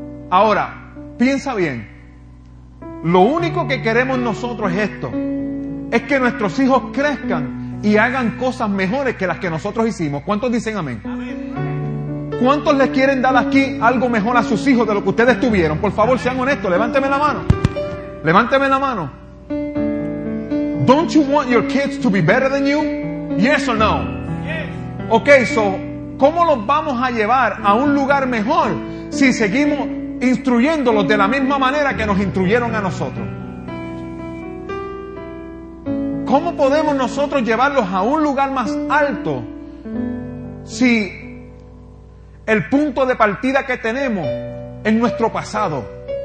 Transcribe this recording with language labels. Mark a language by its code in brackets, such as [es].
[es] Ahora, piensa bien. Lo único que queremos nosotros es esto. Es que nuestros hijos crezcan y hagan cosas mejores que las que nosotros hicimos. ¿Cuántos dicen amén? ¿Cuántos les quieren dar aquí algo mejor a sus hijos de lo que ustedes tuvieron? Por favor, sean honestos. Levánteme la mano. Levánteme la mano. [en] Don't you want your kids to be better than you? Yes or no? [es] Okay, so, ¿cómo los vamos a llevar a un lugar mejor si seguimos instruyéndolos de la misma manera que nos instruyeron a nosotros? ¿Cómo podemos nosotros llevarlos a un lugar más alto si el punto de partida que tenemos es nuestro pasado?